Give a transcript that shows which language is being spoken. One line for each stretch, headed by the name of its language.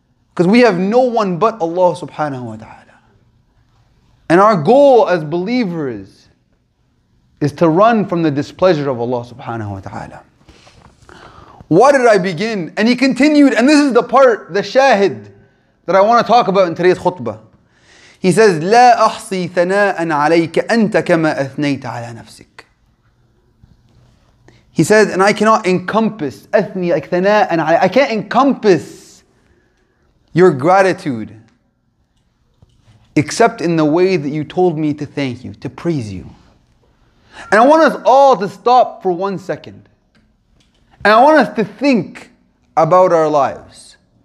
English: Because we have no one but Allah subhanahu wa ta'ala. And our goal as believers is to run from the displeasure of Allah subhanahu wa ta'ala. Why did I begin? And he continued, and this is the part, the shahid, that I want to talk about in today's khutbah. He says,
Arabic: لا أحصي ثناء عليك أنت كما أثنيت على نفسك.
English: He says, and I cannot encompass, أثني like
Arabic: ثناء عليك.
English: I can't encompass your gratitude except in the way that you told me to thank you, to praise you. And I want us all to stop for 1 second. And I want us to think about our lives.